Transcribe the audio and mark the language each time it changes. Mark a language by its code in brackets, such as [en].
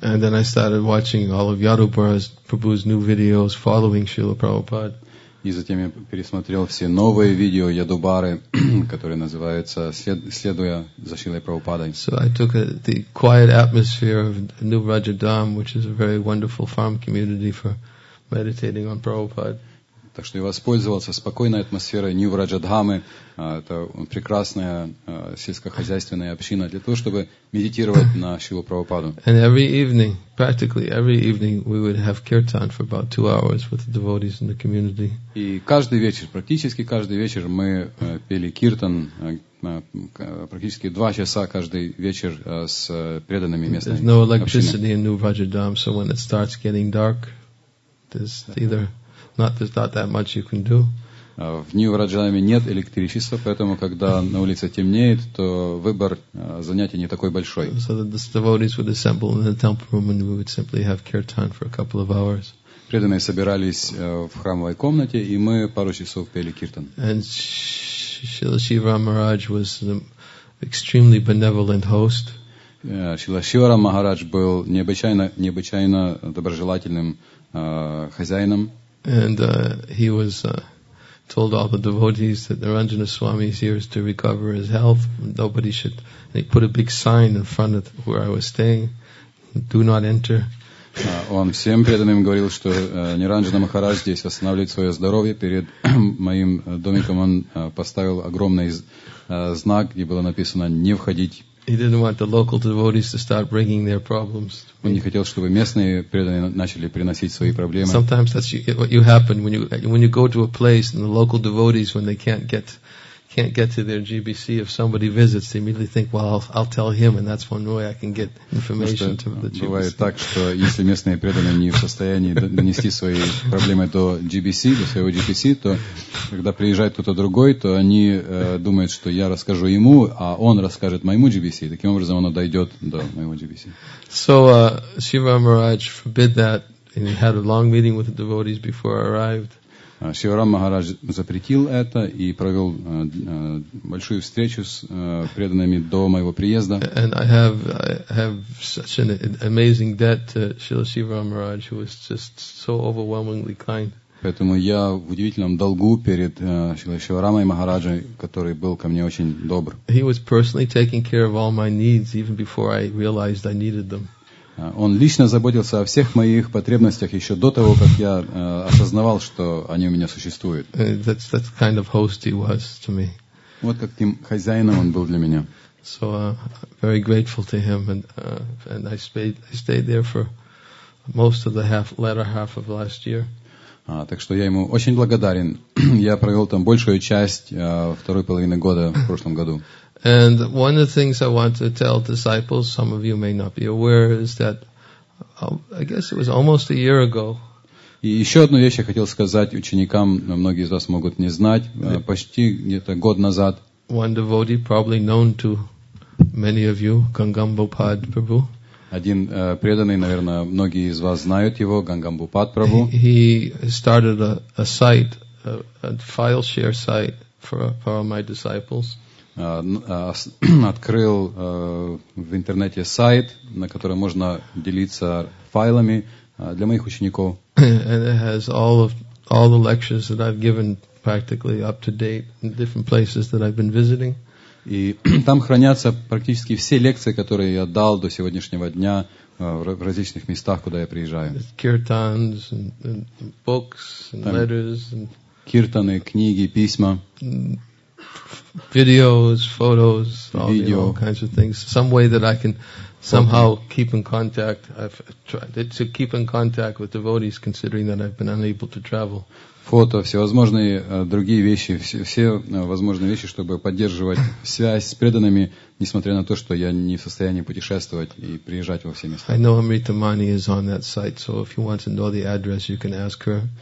[en] And then I started watching all of Yadubara Prabhu's new videos following Srila Prabhupada. [ru] И затем я пересмотрел все новые видео Ядубары, которые называются «Следуя за Шрилой Прабхупадой». [en] So I took the quiet atmosphere of New Rajadham, which is a very wonderful farm community for meditating on Prabhupada. [ru] Так что я воспользовался спокойной атмосферой Нью-Враджа-Дхамы, это прекрасная сельскохозяйственная община, для того, чтобы медитировать на Шрилу Прабхупаду. [en] And every evening, practically every evening, we would have kirtan for about 2 hours with the devotees in the community. [ru] И каждый вечер, практически каждый вечер, мы пели киртан практически 2 часа каждый вечер с преданными местными. [en] There's no electricity in Nu-Vrajadam, so when it starts getting dark, there's either not, there's not that much you can do. [ru] В Нью-Враджадаме нет электричества, поэтому когда на улице темнеет, то выбор занятий не такой большой. [en] So the devotees would assemble in the temple room and we would simply have kirtan for a couple of hours. [ru] Преданные собирались в храмовой комнате, и мы пару часов пели киртан. [en] And Srila Shiva Maharaj was an extremely benevolent host. [ru] Srila Shiva Maharaj был необычайно доброжелательным хозяином. [en] And he was told all the devotees that Naranjana Swami is here to recover his health. Nobody should. And he put a big sign in front of where I was staying: "Do not enter." [ru] Он всем преданным говорил, что Ниранджана Махарадж здесь восстанавливает свое здоровье. Перед моим домиком он поставил огромный знак, где было написано «Не входить». Он не хотел, чтобы местные преданные начали приносить свои проблемы. [en] Sometimes that's what you happen when you go to a place and the local devotees, when they can't get to their GBC, if somebody visits, they immediately think, well, I'll tell him, and that's one way I can get information to the GBC. [ru] Бывает так, что если местные преданные не в состоянии донести свои проблемы до GBC, до своего GBC, то когда приезжает кто-то другой, то они думают, что я расскажу ему, а он расскажет моему GBC. Таким образом, оно дойдет до моего GBC. [en] So, Shiva Maharaj forbid that, and he had a long meeting with the devotees before I arrived. [ru] Шиварам Махарадж запретил это и провел большую встречу с преданными до моего приезда. [en] And I have such an amazing debt to Srila Shivaram Maharaj, who was just so overwhelmingly kind. [ru] Поэтому я в удивительном долгу перед Шрила Шиварамой Махараджей, который был ко мне очень добр. [en] He was personally taking care of all my needs even before I realized I needed them. [ru] Он лично заботился о всех моих потребностях еще до того, как я осознавал, что они у меня существуют. [en] That's kind of host he was to me. [ru] Вот каким хозяином он был для меня. [en] So, very grateful to him, and I stayed there for most of the latter half of last year. [ru] Так что я ему очень благодарен. Я провел там большую часть второй половины года в прошлом году. [en] And one of the things I want to tell disciples, some of you may not be aware, is that I guess it was almost a year ago. [ru] И еще одну вещь я хотел сказать ученикам, многие из вас могут не знать, почти где-то год назад. [en] One devotee, probably known to many of you, Gangambhupad Prabhu. [ru] Один преданный, наверное, многие из вас знают его, Gangambhupad Prabhu. [en] He started a site, a file share site for my disciples. [ru] Открыл в интернете сайт, на котором можно делиться файлами для моих учеников. [en] And it has all the lectures that I've given practically up to date in different places that I've been visiting. [ru] И там хранятся практически все лекции, которые я дал до сегодняшнего дня в различных местах, куда я приезжаю. [en] Kirtans and books and там letters and [ru] киртаны, книги, письма. [en] Videos, photos, all kinds of things. Some way that I can somehow keep in contact. I've tried to keep in contact with devotees, considering that I've been unable to travel. [ru] Фото, всевозможные другие вещи, все возможные вещи, чтобы поддерживать связь с преданными, несмотря на то, что я не в состоянии путешествовать и приезжать во все места. [en] I know Amrita Mani is on that site, so if you want to know the address, you can ask her.